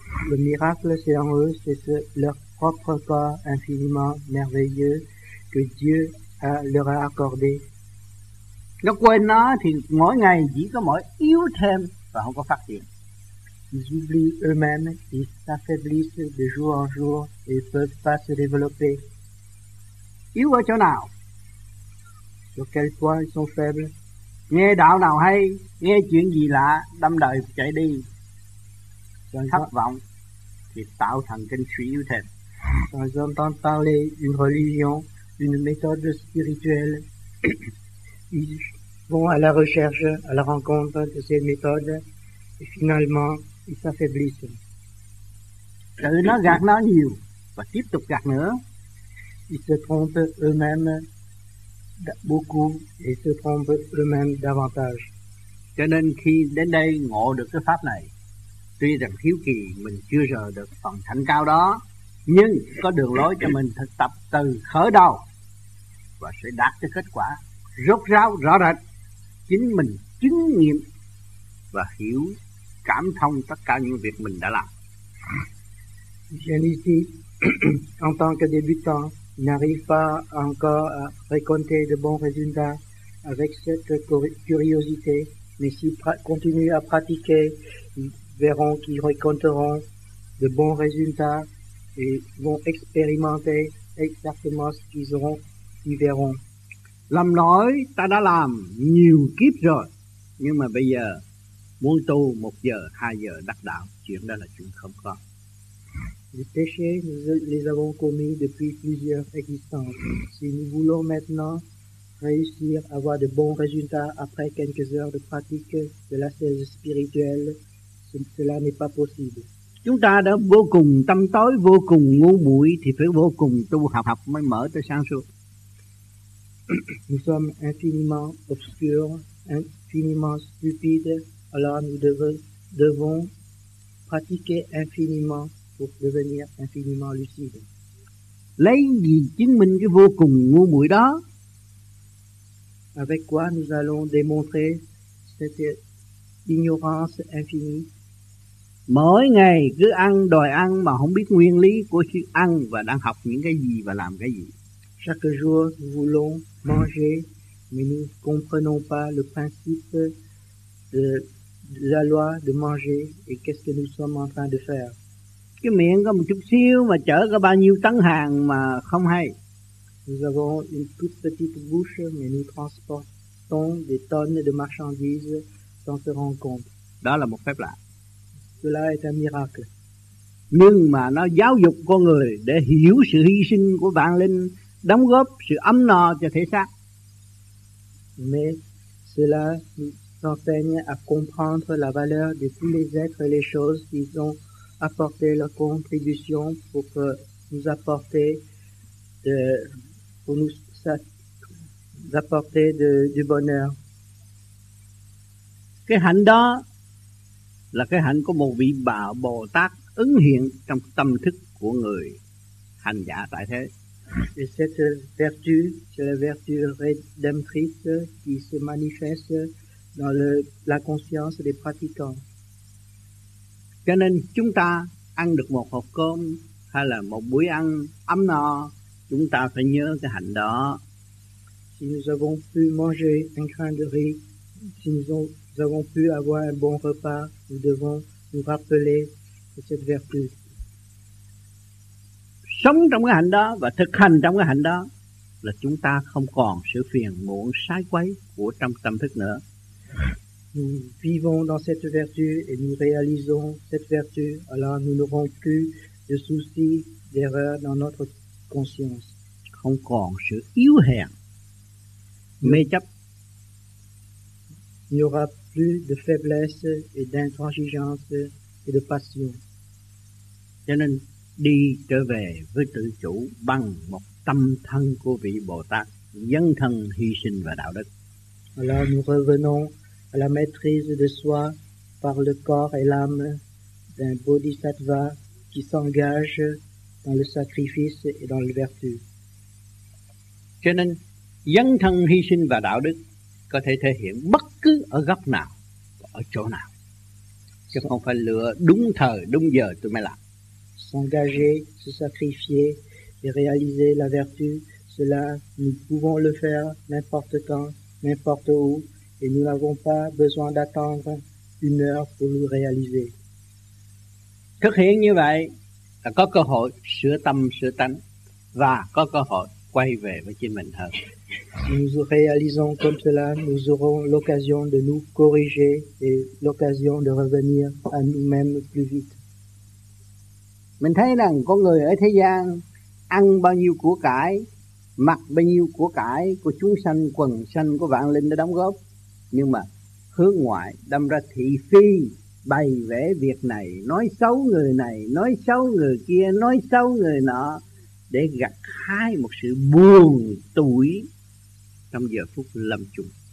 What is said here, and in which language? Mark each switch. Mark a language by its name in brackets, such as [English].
[French] Le miracle, c'est en eux, c'est leur propre corps infiniment merveilleux que Dieu leur a accordé. [Vietnamese] Nó quên nó thì mỗi ngày chỉ có mỗi yếu thêm và không có phát triển. [French] Ils oublient eux-mêmes, ils s'affaiblissent de jour en jour et ne peuvent pas se développer. [Vietnamese] Yếu ở chỗ nào? [French] Sur quel point ils sont faibles? [Vietnamese] Nghe đạo nào hay, nghe chuyện gì lạ, đâm đời chạy đi. Thất vọng thì tạo thần kinh suy yếu thêm. [French] Quand ils entendent parler d'une religion, d'une méthode spirituelle, ils vont à la recherche, à la rencontre de ces méthodes, et finalement, ils s'affaiblissent. [Vietnamese] Tự nó gạt nó nhiều, và tiếp tục gạt nữa. [French] Ils se trompent eux-mêmes beaucoup, et se trompent eux-mêmes davantage. [Vietnamese] Cho nên khi đến đây ngộ được cái pháp này, tuy rằng hiếu kỳ mình chưa rờ được phần thành cao đó, nhưng có đường lối cho mình thực tập từ khởi đầu và sẽ đạt tới kết quả rốt ráo rõ rệt. Chính mình chứng nghiệm và hiểu cảm thông tất cả những việc mình đã làm. [French] Genesis, en tant que débutant, n'arrive pas encore à récolter de bons résultats avec cette curiosité, mais s'il continue à pratiquer, verront qu'ils rencontreront de bons résultats et vont expérimenter exactement ce qu'ils auront, ils verront. [Vietnamese] Lầm nói ta đã làm nhiều kiếp rồi, nhưng mà bây giờ muốn tu một giờ, hai giờ đắc đạo, chuyện đó là chuyện không có. [French] Les péchés, nous les avons commis depuis plusieurs existences. Si nous voulons maintenant réussir à avoir de bons résultats après quelques heures de pratique de la sagesse spirituelle, cela n'est pas possible. [Vietnamese] Chúng ta đã vô cùng tâm tối, vô cùng ngu muội thì phải vô cùng tu học, học mới mở tới sáng suốt. [French] Nous sommes infiniment obscurs, infiniment stupides, alors nous devons pratiquer infiniment pour devenir infiniment lucides. [Vietnamese] Lấy gì chứng minh cái vô cùng ngu muội đó? [French] Avec quoi nous allons démontrer cette ignorance infinie? [Vietnamese] Mỗi ngày cứ ăn đòi ăn mà không biết nguyên lý của sự ăn và đang học những cái gì và làm cái gì. [French] Chaque jour nous voulons manger mais nous ne comprenons pas le principe de la loi de manger et qu'est-ce que nous sommes en train de faire. [Vietnamese] Cái miệng có một chút xíu mà chở có bao nhiêu tấn hàng mà không hay. [French] Nous avons une toute petite bouche mais nous transportons des tonnes de marchandises sans se rendre compte. [Vietnamese] Đó là một phép lạ. [French] Cela est un miracle. [Vietnamese] Nhưng mà nó giáo dục con người để hiểu sự hy sinh của vạn linh, đóng góp sự ấm no cho thể xác. [French] Mais cela nous enseigne à comprendre la valeur de tous les êtres et les choses qui ont apporté leur contribution pour nous apporter de, pour nous apporter de, du bonheur. [Vietnamese] Cái hạnh đó là cái hạnh của một vị Bồ Tát ứng hiện trong tâm thức của người hành giả tại thế. [French] Et cette vertu, c'est la vertu rédemptrice qui se manifeste dans le, la conscience des pratiquants. [Vietnamese] Cho nên chúng ta ăn được một hộp cơm hay là một buổi ăn ấm no, chúng ta phải nhớ cái hạnh đó. [French] Si nous avons pu manger un grain de riz, si nous avons pu avoir un bon repas, nous devons nous rappeler de cette vertu. [Vietnamese] Sống trong cái hạnh đó và thực hành trong cái hạnh đó là chúng ta không còn sự phiền muộn sai quấy của trong tâm thức nữa. [French] Nous vivons dans cette vertu et nous réalisons cette vertu, alors nous n'aurons plus de soucis, d'erreurs dans notre conscience. [Vietnamese] Không còn sự yếu hèn, mê chấp. [French] Il n'y aura plus de faiblesse et d'intransigeance et de passion. [Vietnamese] Cho nên đi trở về với tự chủ bằng một tâm thân của vị Bồ Tát, dấn thân hy sinh và đạo đức. [French] Alors nous revenons à la maîtrise de soi par le corps et l'âme d'un bodhisattva qui s'engage dans le sacrifice et dans la vertu. [Vietnamese] Cho nên, dấn thân hy sinh và đạo đức có thể thể hiện bất cứ ở góc nào, ở chỗ nào. Chứ không phải lựa đúng thời, đúng giờ tôi mới làm. [French] S'engager, se sacrifier et réaliser la vertu, cela nous pouvons le faire n'importe quand, n'importe où. Et nous n'avons pas besoin d'attendre une heure pour le réaliser. [Vietnamese] Thực hiện như vậy là có cơ hội sửa tâm sửa tánh và có cơ hội quay về với chính mình hơn. [French] Si nous réalisons comme cela, nous aurons l'occasion de nous corriger et l'occasion de revenir à nous-mêmes plus vite. [Vietnamese] Mình thấy rằng con người ở thế gian ăn bao nhiêu của cải, mặc bao nhiêu của chúng sanh, quần sanh, của vạn linh đã đóng góp. Nhưng mà hướng ngoại đâm ra thị phi, bày vẽ việc này, nói xấu người kia, nói xấu người nọ, để gặt hái một sự buồn tủi trong giờ phút lâm chung.